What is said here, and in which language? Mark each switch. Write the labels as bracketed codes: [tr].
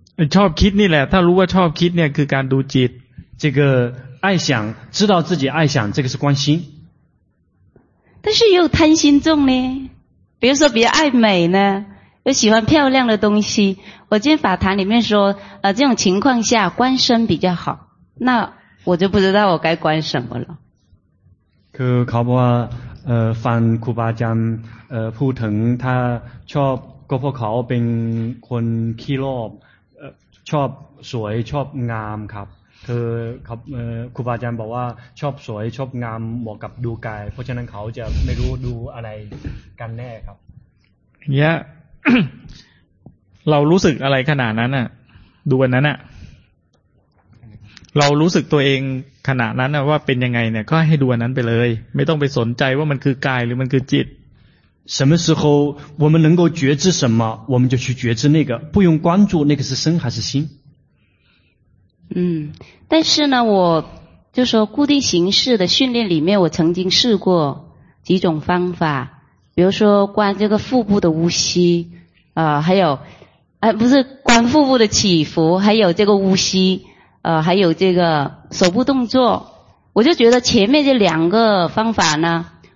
[th] ชอบคิดนี่แหละถ้ารู้ว่าชอบคิดเนี่ยคือการดูจิต [zh] 这个爱想知道自己爱想这个是关心但是又贪心重呢比如说比较爱美呢又喜欢漂亮的东西我今天法坛里面说这种情况下观身比较好那我就不知道我该观什么了 [th] คือเขาบอกว่า ฟังครูบาอาจารย์พูดถึงถ้าชอบก็เพราะเขาเป็นคนขี้รอบชอบสวยชอบงามครับคือครับครูบาอาจารย์บอกว่าชอบสวยชอบงามเหมาะกับดูกายเพราะฉะนั้นเขาจะไม่รู้ดูอะไรกันแน่ครับ เนี่ย เรารู้สึกอะไรขนาดนั้นน่ะดูวันนั้นน่ะเรารู้สึกตัวเองขณะนั้นว่าเป็นยังไงเนี่ยก็ให้ดูอันนั้นไปเลยไม่ต้องไปสนใจว่ามันคือกายหรือมันคือจิต [zh] 什么时候我们能够觉知什么我们就去觉知那个不用关注那个是身还是心嗯但是呢我就说固定形式的训练里面我曾经试过几种方法比如说观这个腹部的呼吸还有不是观腹部的起伏还有这个呼吸还有这个手部动作，我就觉得前面这两个方法呢，